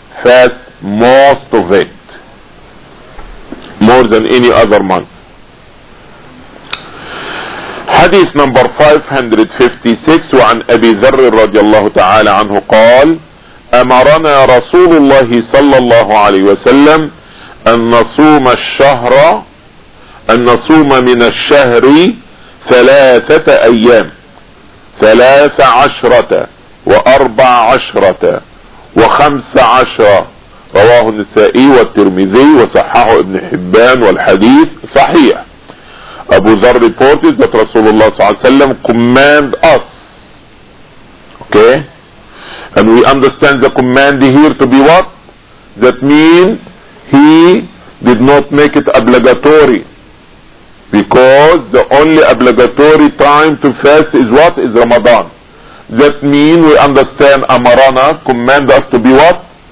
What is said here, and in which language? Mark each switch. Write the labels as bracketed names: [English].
[English] Fast most of it, more than any other month. Hadith number 556, [Arabic] وعن أبي ذر رضي الله تعالى عنه قال أمرنا رسول الله صلى الله عليه وسلم أن نصوم الشهر أن نصوم من الشهر ثلاثة أيام، 13 و14 و15. رواه النسائي والترمذي وصححه ابن حبان، والحديث صحيح. أبو ذر [English] reported that [Arabic] رسول الله صلى الله عليه وسلم [English] command us. Okay, and we understand the command here to be what? That means he did not make it obligatory, because the only obligatory time to fast is what? Is Ramadan. That means we understand Amarana command us to be what?